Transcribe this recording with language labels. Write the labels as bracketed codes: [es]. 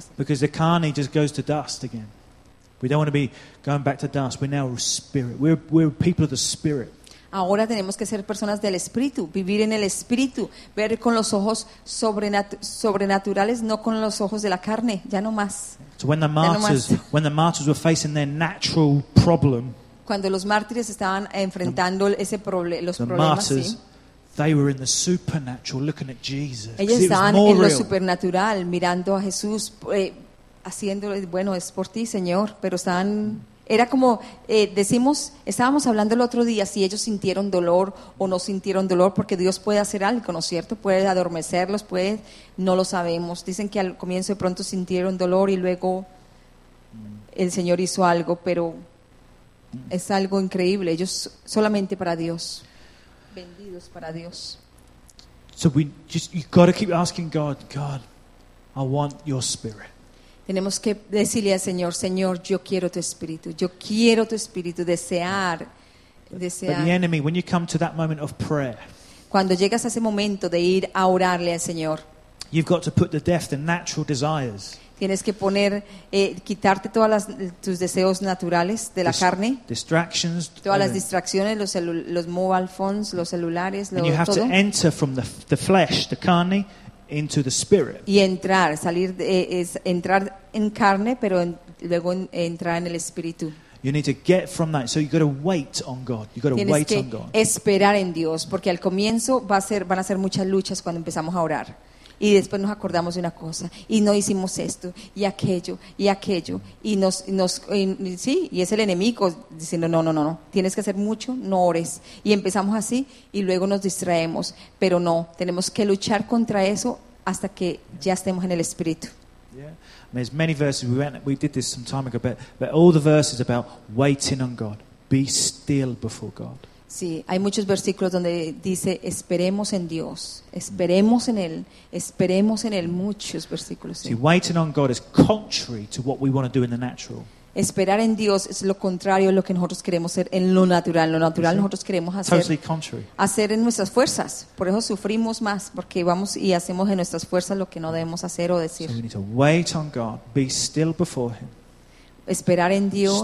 [en] Because the carne just goes to dust again. We don't want to be going back to dust. We're now spirit. We're people of the Spirit. [es] Ahora tenemos que ser personas del Espíritu, vivir en el Espíritu, ver con los ojos sobrenaturales, no con los ojos de la carne, ya no más. Cuando los mártires estaban enfrentando los problemas, [en] they were in the supernatural looking at Jesus. [es] Ellos estaban en lo supernatural, mirando a Jesús, haciéndole, bueno, es por ti, Señor, pero estaban... Era como, estábamos hablando el otro día si ellos sintieron dolor o no sintieron dolor, porque Dios puede hacer algo, ¿no es cierto? Puede adormecerlos, puede, no lo sabemos. Dicen que al comienzo de pronto sintieron dolor y luego el Señor hizo algo, pero es algo increíble. Ellos solamente para Dios. Vendidos para Dios. [en] So we just, you've got to keep asking God, God, I want your spirit. [es] Tenemos que decirle al Señor, Señor, yo quiero tu Espíritu. Yo quiero tu Espíritu, desear. [en] But the enemy, when you come to that moment of prayer, [es] cuando llegas a ese momento de ir a orarle al Señor, [en] you've got to put to death the natural desires. [es] Tienes que poner, quitarte todas tus deseos naturales de la carne. [en] Distractions. [es] Todas las distracciones, los mobile phones, los celulares, [en] todo. And you have to enter from the flesh, the carne, into the spirit. [es] Y entrar, salir es entrar en carne, pero luego entrar en el espíritu. [en] You need to get from that. So you got to wait on God. You got to wait on God. [es] Tienes que esperar en Dios, porque al comienzo van a ser muchas luchas cuando empezamos a orar. Y después nos acordamos de una cosa y no hicimos esto y aquello y es el enemigo diciendo no, tienes que hacer mucho, no ores, y empezamos así y luego nos distraemos, pero no, tenemos que luchar contra eso hasta que ya estemos en el espíritu. [en] Yeah. I mean, there's many verses we did this some time ago, but all the verses about waiting on God, be still before God. [es] Sí, hay muchos versículos donde dice esperemos en Dios, esperemos en él, muchos versículos. Sí. [en] See, waiting on God is contrary to what we want to do in the natural. [es] Esperar en Dios es lo contrario a lo que nosotros queremos hacer en lo natural. En lo natural nosotros queremos hacer en nuestras fuerzas. Por eso sufrimos más, porque vamos y hacemos en nuestras fuerzas lo que no debemos hacer o decir. [en] So we need to wait on God, be still before him. [es] Esperar en Dios,